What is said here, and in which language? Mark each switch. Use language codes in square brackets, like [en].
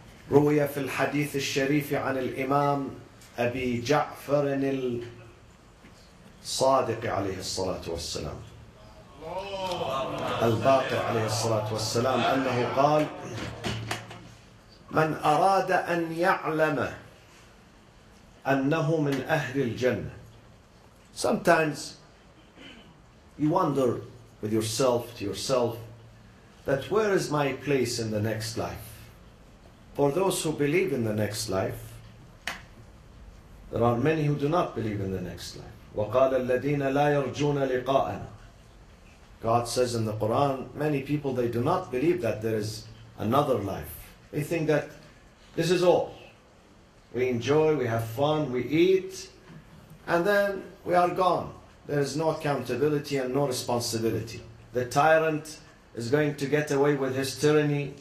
[ar] روي في الحديث الشريف عن الإمام أبي جعفر الصادق عليه الصلاة والسلام، الباقر عليه الصلاة والسلام، أنه قال: من أراد أن يعلم أنه من أهل الجنة. [en] Sometimes you wonder with yourself to yourself that where is my place in the next life? For those who believe in the next life, there are many who do not believe in the next life. [ar] وقال الذين لا يرجون لقاءنا. [en] God says in the Quran, many people, they do not believe that there is another life. They think that this is all. We enjoy, we have fun, we eat, and then we are gone. There is no accountability and no responsibility. The tyrant is going to get away with his tyranny.